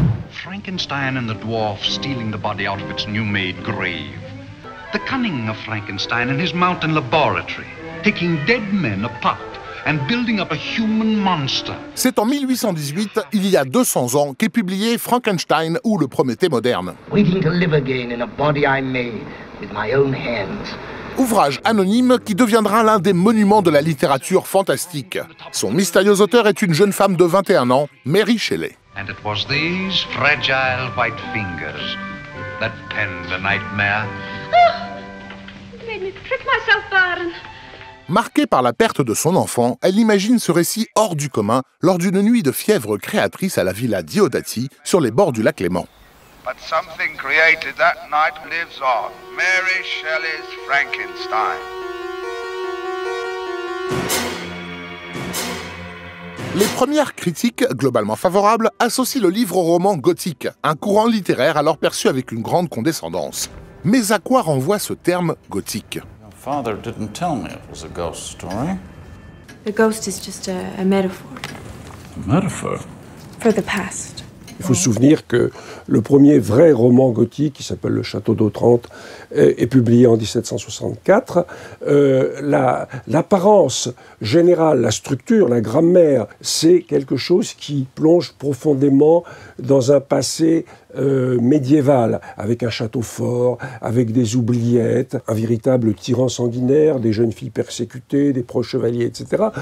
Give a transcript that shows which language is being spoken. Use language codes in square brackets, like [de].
[en] Frankenstein and the dwarf stealing the body out of its new-made grave. The cunning of Frankenstein and his mountain laboratory, taking dead men apart and building up a human monster. [fr] C'est en 1818, il y a 200 ans, qu'est publié Frankenstein ou le Prométhée moderne. [en] Waiting to live again in a body I made with my own hands. [fr] Ouvrage anonyme qui deviendra l'un des monuments de la littérature fantastique. Son mystérieux auteur est une jeune femme de 21 ans, Mary Shelley. [en] And it was these fragile white fingers that penned the nightmare. Oh, you made me prick myself, Baron. [fr] Marquée par la perte de son enfant, elle imagine ce récit hors du commun lors d'une nuit de fièvre créatrice à la villa Diodati, sur les bords du lac Léman. [en] But something created that night lives on. Mary Shelley's Frankenstein. [fr] Les premières critiques, globalement favorables, associent le livre au roman gothique, un courant littéraire alors perçu avec une grande condescendance. Mais à quoi renvoie ce terme gothique ? [en] Your father didn't tell me it was a ghost story. The ghost is just a metaphor. A metaphor? For the past. [fr] Il faut se souvenir que le premier vrai roman gothique, qui s'appelle Le Château d'Otrante, est publié en 1764. L'apparence générale, la structure, la grammaire, c'est quelque chose qui plonge profondément dans un passé médiéval, avec un château fort, avec des oubliettes, un véritable tyran sanguinaire, des jeunes filles persécutées, des proches chevaliers, etc.